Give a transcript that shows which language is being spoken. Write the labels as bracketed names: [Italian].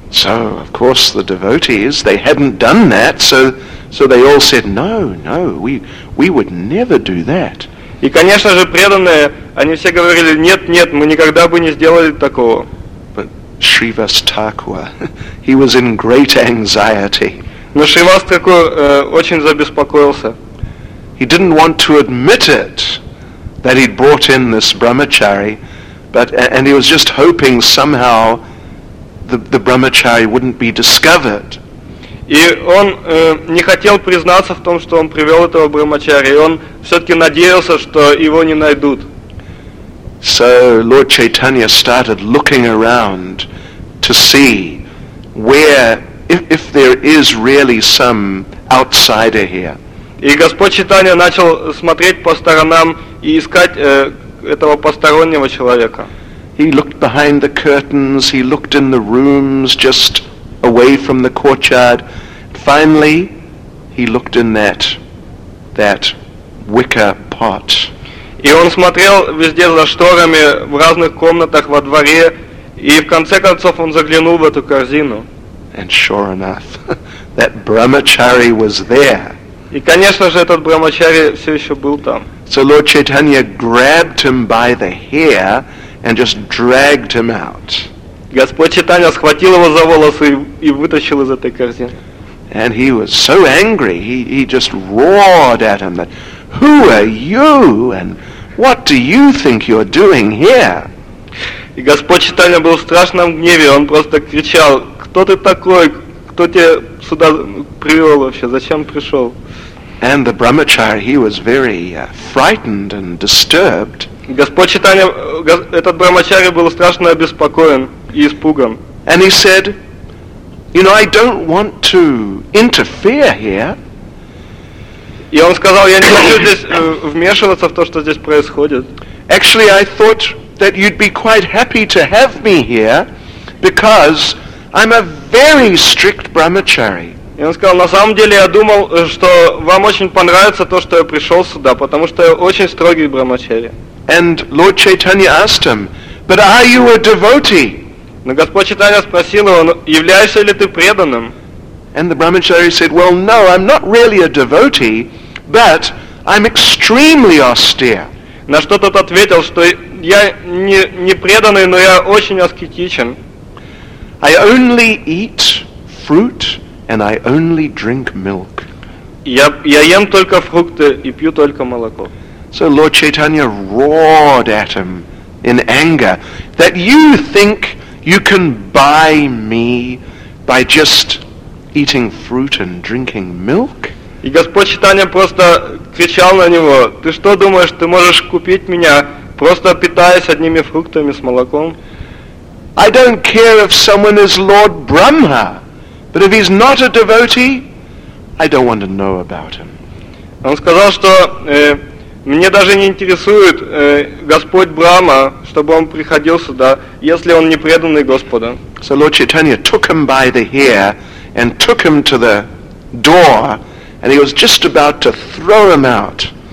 [English] So, of course, the devotees, they hadn't done that, so they all said, no, we would never do that. [Russian] И, конечно же, преданные, они все говорили, нет, мы никогда бы не сделали такого. [English] But Shrivas Thakur, he was in great anxiety. [Russian] Но Шривас Тхакур очень забеспокоился. [English] He didn't want to admit it, that he'd brought in this brahmachari, and he was just hoping somehow the brahmachari wouldn't be discovered. [Russian] И он не хотел признаться в том, что он привел этого брахмачари, и он все-таки надеялся, что его не найдут. [English] So Lord Chaitanya started looking around to see where, if there is really some outsider here. [Russian] И Господь Читания начал смотреть по сторонам и искать этого постороннего человека. [English] He looked behind the curtains, he looked in the rooms just away from the courtyard. Finally, he looked in that wicker pot. [Russian] И он смотрел везде за шторами, в разных комнатах, во дворе, и в конце концов он заглянул в эту корзину. [English] And sure enough, that brahmachari was there. [Russian] И, конечно же, этот брахмачари все еще был там. [English] So Lord Chaitanya grabbed him by the hair and just dragged him out. [Russian] Господь Читания схватил его за волосы и вытащил из этой корзины. [English] And he was so angry, he just roared at him, that, "Who are you and what do you think you're doing here?" [Russian] И Господь Читания был в страшном гневе, он просто кричал, "Кто ты такой? Кто тебя сюда привел вообще? Зачем пришел?" [English] And the brahmachari, he was very frightened and disturbed. [Russian] Господь Читания, этот брахмачари был страшно обеспокоен и испуган. [English] And he said, you know, I don't want to interfere here. [Russian] И он сказал, я не хочу здесь вмешиваться в то, что здесь происходит. [English] Actually, I thought that you'd be quite happy to have me here, because I'm a very strict brahmachari. [Russian] И он сказал, на самом деле я думал, что вам очень понравится то, что я пришел сюда, потому что я очень строгий брахмачари. [English] And Lord Chaitanya asked him, but are you a devotee? [Russian] Но Господь Читания спросил его, являешься ли ты преданным? [English] And the brahmachari said, well, no, I'm not really a devotee, but I'm extremely austere. [Russian] На что тот ответил, что я не преданный, но я очень аскетичен. [English] I only eat fruit and I only drink milk. [Russian] Я ем только фрукты и пью только молоко. [English] So Lord Chaitanya roared at him in anger, that you think you can buy me by just eating fruit and drinking milk? [Russian] И Господь Читания просто кричал на него, ты что думаешь, ты можешь купить меня, просто питаясь одними фруктами с молоком? [English] I don't care if someone is Lord Brahma, but if he's not a devotee, I don't want to know about him. [Russian] Он сказал, что мне даже не интересует Господь Брама, чтобы он приходил сюда, если он не преданный Господа. [English] So Lord Chaitanya took him by the hair and took him to the door, and he was just about to throw him out.